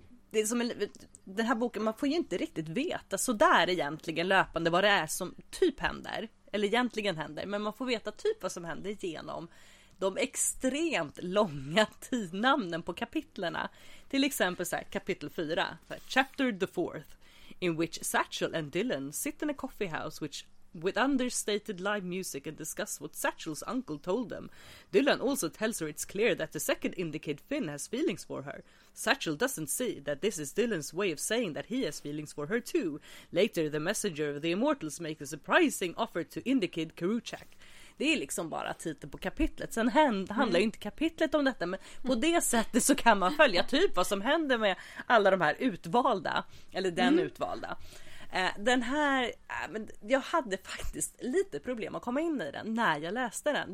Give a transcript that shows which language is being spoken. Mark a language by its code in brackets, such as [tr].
[sv] Det är som den här boken, man får ju inte riktigt veta så där egentligen löpande vad det är som typ händer. Eller egentligen händer, men man får veta typ vad som händer genom de extremt långa tidnamnen på kapitlerna. Till exempel så här, kapitel 4, [en] chapter the fourth, in which Satchel and Dylan sit in a coffee house with understated live music and discuss what Satchel's uncle told them. Dylan also tells her it's clear that the second indicate Finn has feelings for her. Satchel doesn't see that this is Dylan's way of saying that he has feelings for her too. Later, the messenger of the immortals makes a surprising offer to Indikid Karuchak. [sv] Det är liksom bara titeln på kapitlet. Sen handlar ju inte kapitlet om detta, men på det sättet så kan man följa typ vad som händer med alla de här utvalda, eller den utvalda. Den här, jag hade faktiskt lite problem att komma in i den när jag läste den.